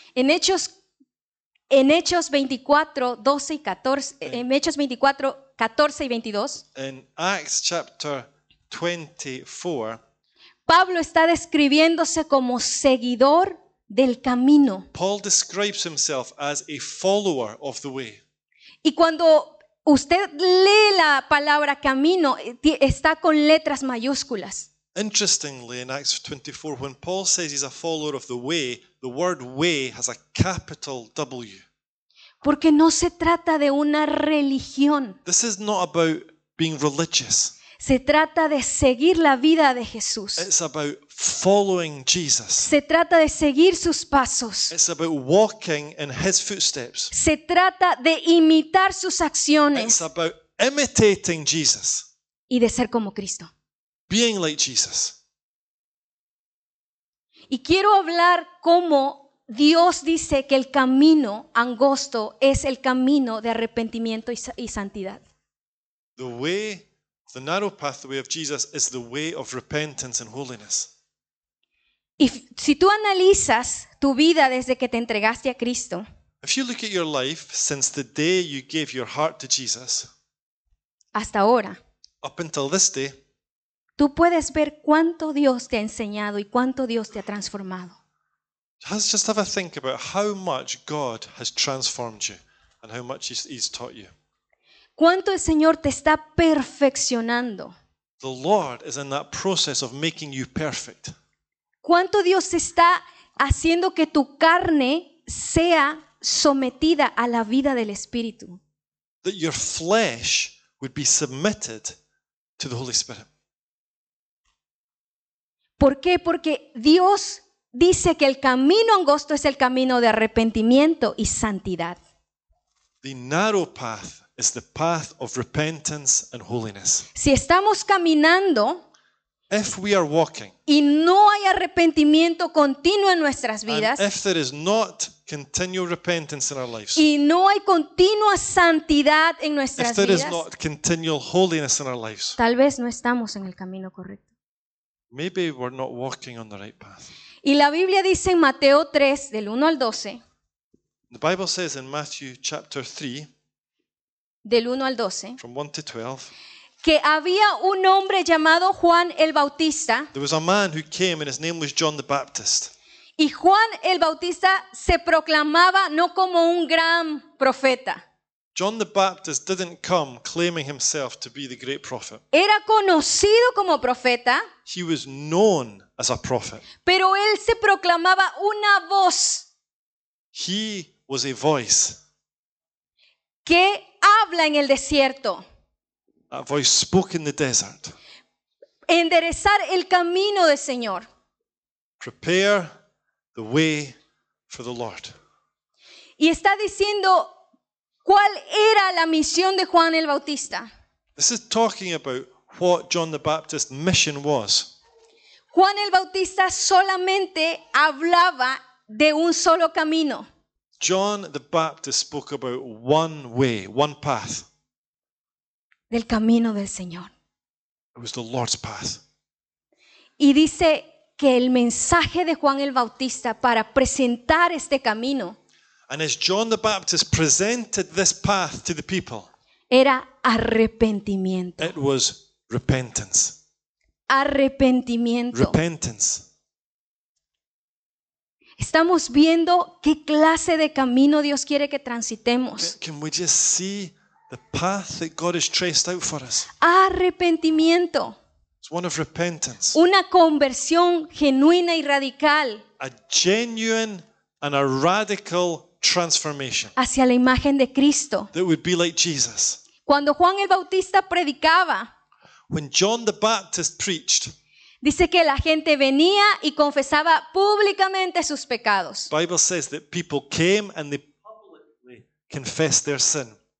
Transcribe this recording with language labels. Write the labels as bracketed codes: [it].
[es] En Hechos 24, 12 y 14, en Hechos 24, 14 y 22. [en] In Acts chapter 24. [es] Pablo está describiéndose como seguidor del camino. [en] Paul describes himself as a follower of the way. [es] Y cuando usted lee la palabra camino, está con letras mayúsculas. [en] Interestingly, in Acts 24, when Paul says he's a follower of the way, the word way has a capital W. [es] Porque no se trata de una religión. [en] This is not about being religious. [es] Se trata de seguir la vida de Jesús. [en] It's about following Jesus. [es] Se trata de seguir sus pasos. [en] It's about walking in his footsteps. [es] Se trata de imitar sus acciones. [en] It's about imitating Jesus. [es] Y de ser como Cristo. [en] Being like Jesus. [es] Y quiero hablar cómo Dios dice que el camino angosto es el camino de arrepentimiento y santidad. [en] The narrow path, the way of Jesus, is the way of repentance and holiness. [es] If, si tú analizas tu vida desde que te entregaste a Cristo, [en] if you look at your life since the day you gave your heart to Jesus, [es] hasta ahora, [en] up until this day, [es] tú puedes ver cuánto Dios te ha enseñado y cuánto Dios te ha transformado. [en] Just have a think about how much God has transformed you and how much he's taught you. [es] ¿Cuánto el Señor te está perfeccionando? [en] The Lord is in that process of making you perfect. [es] ¿Cuánto Dios está haciendo que tu carne sea sometida a la vida del Espíritu? [en] That your flesh would be submitted to the Holy Spirit. [es] ¿Por qué? Porque Dios dice que el camino angosto es el camino de arrepentimiento y santidad. [en] The narrow path is the path of repentance and holiness. [es] Si estamos caminando, [en] if we are walking, [es] y no hay arrepentimiento continuo en nuestras vidas, [en] and if there is not continual repentance in our lives, [es] y no hay continua santidad en nuestras vidas, [en] if there [es] vidas, [en] is not continual holiness in our lives, [es] tal vez no estamos en el camino correcto. [en] Maybe we're not walking on the right path. [es] Y la Biblia dice en Mateo 3 del 1 al 12. [en] The Bible says in Matthew chapter 3, [es] del 1 al 12, [en] from 1 to 12, [es] que había un hombre llamado Juan el Bautista. [en] There was a man who came and his name was John the Baptist. [es] Y Juan el Bautista se proclamaba no como un gran profeta. [en] John the Baptist didn't come claiming himself to be the great prophet. [es] Era conocido como profeta. [en] He was known as a prophet. [es] Pero él se proclamaba una voz. [en] He was a voice. [es] Que habla en el desierto. [en] A voice spoke in the desert. [es] Enderezar el camino del Señor. [en] Prepare the way for the Lord. [es] Y está diciendo cuál era la misión de Juan el Bautista. [en] This is talking about what John the Baptist's mission was. [es] Juan el Bautista solamente hablaba de un solo camino. [en] John the Baptist spoke about one way, one path. [es] Del camino del Señor. [en] It was the Lord's path. [es] Y dice que el mensaje de Juan el Bautista para presentar este camino, [en] and as John the Baptist presented this path to the people, [es] era arrepentimiento. [en] It was repentance. [es] Arrepentimiento. [en] Repentance. [es] Estamos viendo qué clase de camino Dios quiere que transitemos. [en] Can we just see the path that God has traced out for us? [es] Arrepentimiento. [en] It's one of repentance. [es] Una conversión genuina y radical. [en] A genuine and a radical transformation. [es] Hacia la imagen de Cristo. [en] That would be like Jesus. [es] Cuando Juan el Bautista predicaba, [en] when John the Baptist preached, [es] dice que la gente venía y confesaba públicamente sus pecados. [en] The Bible says that people came and they publicly confessed their sin.